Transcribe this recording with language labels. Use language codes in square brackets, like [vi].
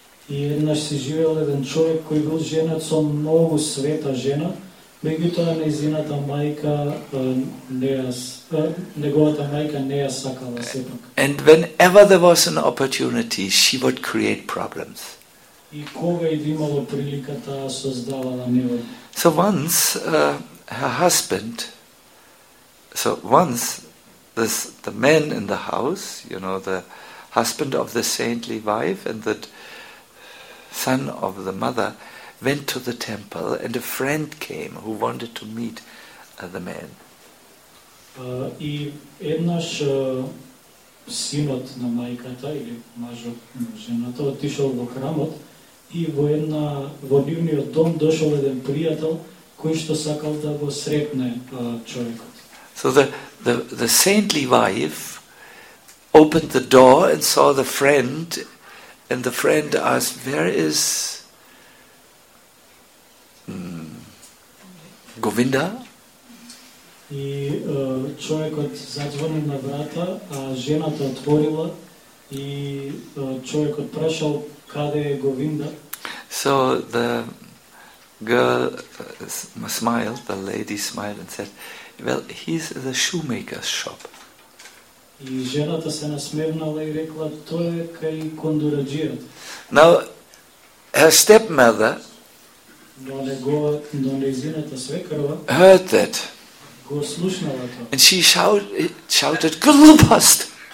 [mk] И еднаш си живеел еден човек кој бил женат со многу света жена, меѓутоа нејзината мајка неговата мајка не ја сакала сепак. [en] And whenever there was an opportunity, she would create problems. [mk] И кога и имало прилика, таа создавала неволја. [en] So once her husband, so once this, the man in the house, you know, the husband of the saintly wife and the son of the mother, went to the temple, and a friend came who wanted to meet the man. [mk] И еднаш синот на мајката или мажот на жената отишол во храмот и во една во нивниот дом дошол еден пријател кој што сакал да го сретне човекот. [en] So the saintly wife opened the door and saw the friend, and the friend asked, "Where is Govinda?" [mk] И човекот задзвонил на врата, а жената отворила и човекот прашал каде е Говинда. [en] So the girl smiled, the lady smiled and said, "Well, he's the shoemaker's shop." [mk] И жената се насмевнала и рекла, тоа е кај кондураџијот. [en] Now, her stepmother, [mk] нејзината свекрва, [en] heard that. [mk] Го слушнала тоа. [en] And she shouted, [mk] "Глупост!"